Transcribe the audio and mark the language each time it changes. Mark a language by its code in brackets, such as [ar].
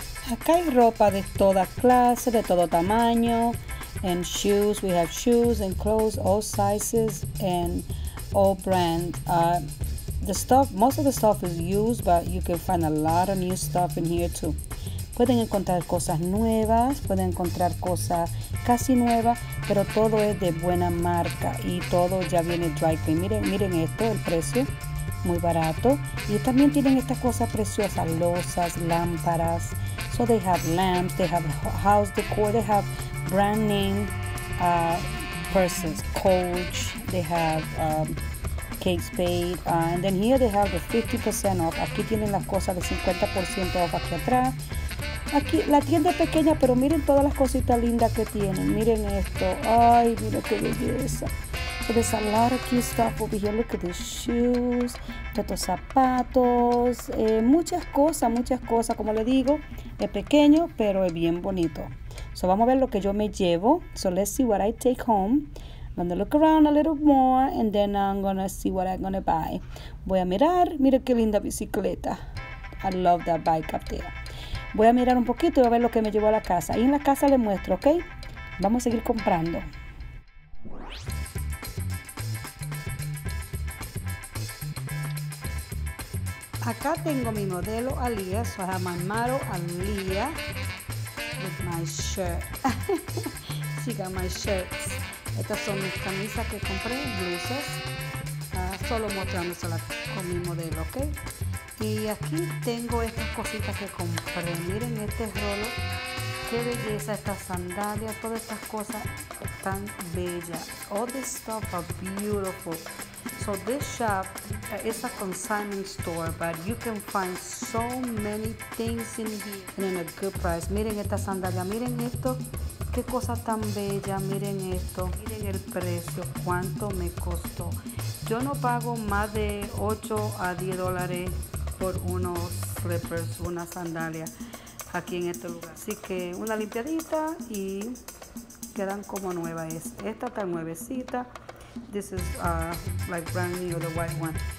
[es] Acá hay ropa de toda clase, de todo tamaño, [en] and shoes. We have shoes and clothes, all sizes and all brands. Most of the stuff is used, but you can find a lot of new stuff in here too. [es] Pueden encontrar cosas nuevas, pueden encontrar cosas casi nuevas, pero todo es de buena marca y todo ya viene dry clean. Miren esto, el precio, muy barato. Y también tienen estas cosas preciosas, losas, lámparas. [en] So they have lamps, they have house decor, they have brand name purses, Coach, they have Kate Spade, and then here they have the 50% off. [es] Aquí tienen las cosas de 50% off aquí atrás. Aquí la tienda es pequeña, pero miren todas las cositas lindas que tienen. Miren esto, ay, mira qué belleza. [en] So there's a lot of cute stuff over here. Look at these shoes, [es] estos zapatos, muchas cosas. Como le digo, es pequeño, pero es bien bonito. So vamos a ver lo que yo me llevo. [en] So let's see what I take home. I'm going to look around a little more, and then I'm going to see what I'm going to buy. [es] Voy a mirar. Mira qué linda bicicleta. [en] I love that bike up there. [es] Voy a mirar un poquito y a ver lo que me llevo a la casa. Ahí en la casa les muestro, ¿ok? Vamos a seguir comprando. Acá tengo mi modelo Aaliyah, [en] so I have my model Aaliyah with my shirt. She got my shirts. [es] Estas son mis camisas que compré, blusas. Solo mostrándosela con mi modelo, ¿ok? Y aquí tengo estas cositas que compré. Miren este rolo. Qué belleza, estas sandalias, todas estas cosas tan bellas. [en] All this stuff are beautiful. So this shop is a consignment store, but you can find so many things in here and in a good price. [es] Miren esta sandalia, miren esto, qué cosa tan bella, miren esto, miren el precio, cuánto me costó. Yo no pago más de 8 a 10 dólares por unos slippers, una sandalia aquí en este lugar. Así que una limpiadita y quedan como nuevas. Esta está nuevecita. [en] This is like brand new, the white one.